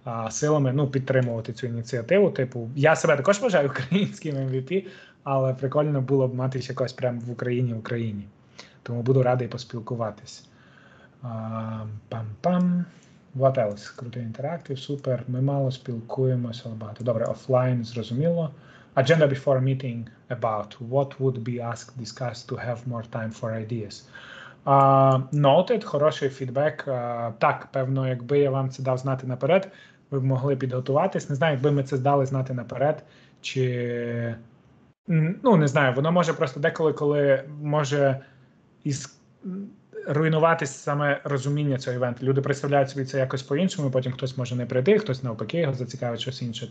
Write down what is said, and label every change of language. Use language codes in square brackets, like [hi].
[uk] силами, ну, підтримувати цю ініціативу. Типу, я себе також вважаю українським MVP, але прикольно було б мати якось прямо в Україні, в Україні. Тому буду радий поспілкуватись. [en] Пам-пам. What else? [uk] Крутий інтерактив, супер. Ми мало спілкуємося, але багато. Добре, офлайн, зрозуміло. [en] Agenda before meeting about what would be asked, discussed to have more time for ideas. [uk] Noted, хороший фідбек. Так, певно, якби я вам це дав знати наперед, ви б могли підготуватись. Не знаю, якби ми це здали знати наперед, чи... Ну, не знаю, воно може просто деколи, коли може із... руйнуватись саме розуміння цього івенту. Люди представляють собі це якось по-іншому, потім хтось може не прийти, хтось навпаки його зацікавить, щось інше.